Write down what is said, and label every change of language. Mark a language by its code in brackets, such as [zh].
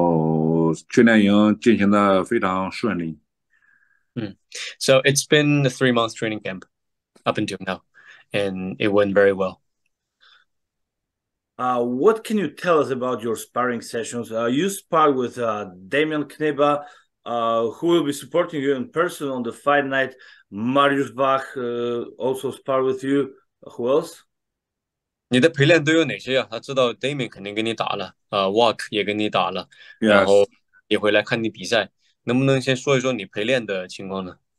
[zh] 训练营到现在为止差不多已经有三个月了吧，三个多月了应该是。然后训练营进行的非常顺利。 [en] So it's been a 3-month training camp up until now, and it went very well. What can you tell us about your sparring sessions? You sparred with Damian Kneba, who will be supporting you in person on the fight night. Marius Bach also sparred with you. Who else? [zh] 你的陪练都有哪些呀？他知道 Damian 肯定跟你打了，Walk 也跟你打了，然后也会来看你比赛。能不能先说一说你陪练的情况呢？